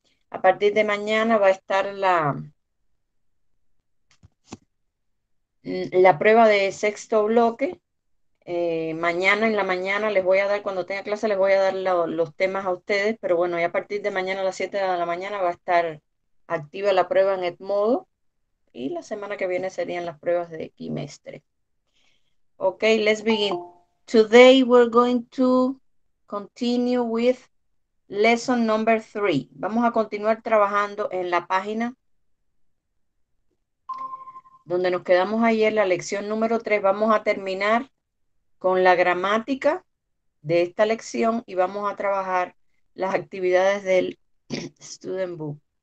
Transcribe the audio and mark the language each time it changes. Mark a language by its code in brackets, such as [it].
[es] A partir de mañana va a estar la prueba de sexto bloque. Mañana en la mañana les voy a dar, cuando tenga clase, les voy a dar los temas a ustedes. Pero bueno, ya a partir de mañana a las 7 de la mañana va a estar activa la prueba en Edmodo. Y la semana que viene serían las pruebas de quimestre. [en] Ok, let's begin. Today we're going to continue with Lesson number 3. [es] Vamos a continuar trabajando en la página donde nos quedamos ayer, la lección número 3. Vamos a terminar con la gramática de esta lección y vamos a trabajar las actividades del Student Book.